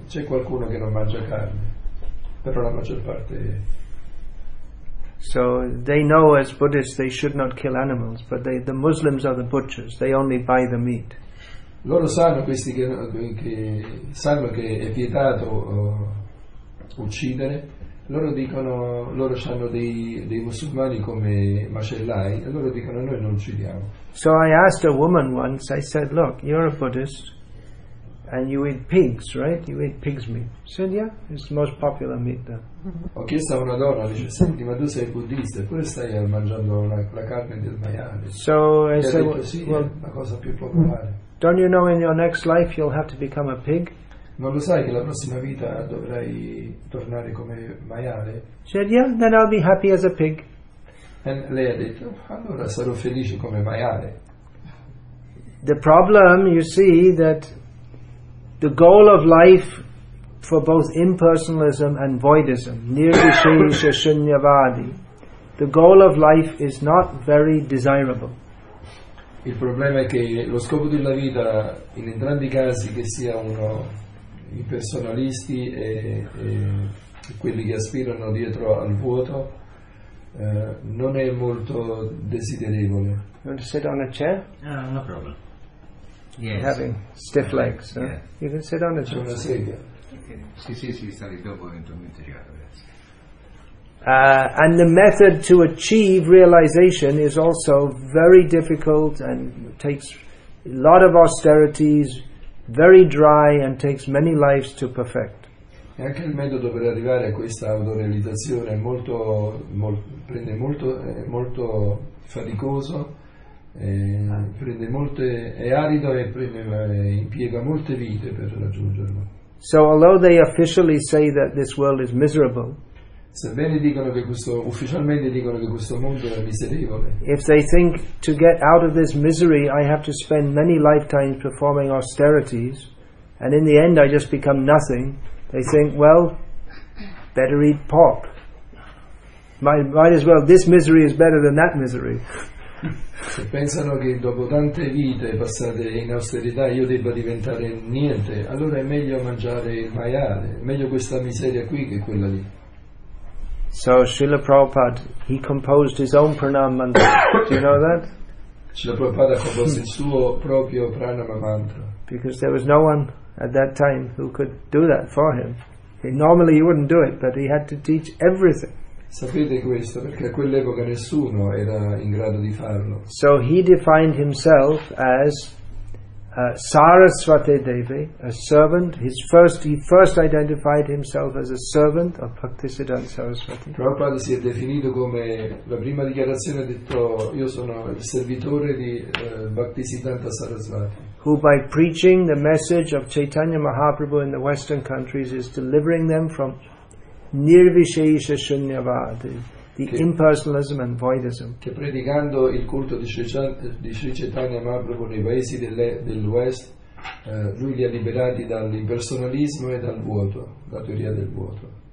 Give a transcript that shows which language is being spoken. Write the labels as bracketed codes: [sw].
[it] C'è qualcuno che non mangia carne, però la maggior parte. [en] So they know as Buddhists they should not kill animals, but they, the Muslims are the butchers, they only buy the meat. [it] Loro sanno, questi che sanno che è vietato uccidere, loro dicono, loro hanno dei musulmani come macellai, e loro dicono noi non uccidiamo. [en] So I asked a woman once, I said, look, you're a Buddhist and you eat pigs, right? You eat pig's meat. She said, yeah, it's the most popular meat there. [it] Ho chiesto a una donna, dice, senti, ma tu sei buddista, eppure stai mangiando la carne del maiale. [en] So I said, [it] sì, well, la cosa più popolare. [en] Don't you know in your next life you'll have to become a pig? [it] Non lo sai che la prossima vita dovrai tornare come maiale? [en] She said, yeah, then I'll be happy as a pig. [it] And lei ha detto, allora sarò felice come maiale. [en] The problem, you see, that the goal of life for both impersonalism and voidism, nirvishesha shunyavadi, the goal of life is not very desirable. [it] Il problema è che lo scopo della vita, in entrambi i casi, che sia uno impersonalisti e quelli che aspirano dietro al vuoto, non è molto desiderevole. [en] You want to sit on a chair? No problem. Yes. Having stiff legs. Yeah. You can sit on a chair. [it] Una sedia. Sì, sta lì dopo eventualmente. [en] And the method to achieve realization is also very difficult and takes a lot of austerities, very dry, and takes many lives to perfect. [it] E anche il metodo per arrivare a questa autorealizzazione è molto, prende molto, molto faticoso, prende molte, è arido e impiega molte vite per raggiungerlo. [en] So although they officially say that this world is miserable, [it] sebbene dicono che questo, ufficialmente dicono che questo mondo è miserevole, [en] if they think to get out of this misery I have to spend many lifetimes performing austerities and in the end I just become nothing, they think, well, better eat pork. Might as well, this misery is better than that misery. [it] Se pensano che dopo tante vite passate in austerità io debba diventare niente, allora è meglio mangiare il maiale, è meglio questa miseria qui che quella lì. [en] So Srila Prabhupada, he composed his own pranam mantra. Do you know that? [it] Srila Prabhupada ha composto il suo proprio pranam mantra. [en] Because there was no one at that time who could do that for him. Normally he wouldn't do it, but he had to teach everything. [it] Sapete questo, perché a quell'epoca nessuno era in grado di farlo. [en] So he defined himself as Saraswati Devi, a servant. He first identified himself as a servant of Bhaktisiddhanta Saraswati. [it] Prabhupada si è definito come, la prima dichiarazione ha detto, io sono il servitore di Bhaktisiddhanta Saraswati. [en] Who by preaching the message of Chaitanya Mahaprabhu in the Western countries is delivering them from nirvishesha shunyavadi, the impersonalism and voidism. [it] Che predicando il culto di Sri Chaitanya Mahaprabhu nei paesi dell'West, lui li ha liberati dall'impersonalismo e dal vuoto, la teoria del vuoto.